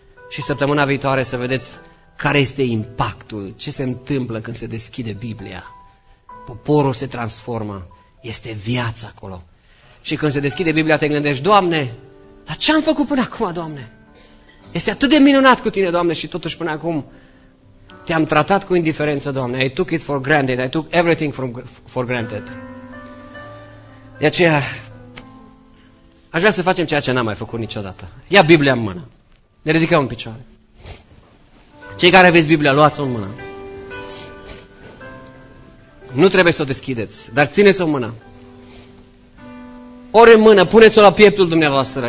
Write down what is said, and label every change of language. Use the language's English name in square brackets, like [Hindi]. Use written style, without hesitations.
[Romanian] Și săptămâna viitoare să vedeți care este impactul, ce se întâmplă când se deschide Biblia. Poporul se transformă, este viața acolo. Și când se deschide Biblia te gândești, Doamne, dar ce am făcut până acum, Doamne? Este atât de minunat cu Tine, Doamne, și totuși până acum Te-am tratat cu indiferență, Doamne. [English] I took it for granted, I took everything for granted. [Romanian] De aceea, aș vrea să facem ceea ce n-am mai făcut niciodată. Ia Biblia în mână. Ne ridicăm în picioare. Cei care aveți Biblia, luați-o în mână. Nu trebuie să o deschideți, dar țineți-o în mână. Ori în mână, puneți-o la pieptul dumneavoastră.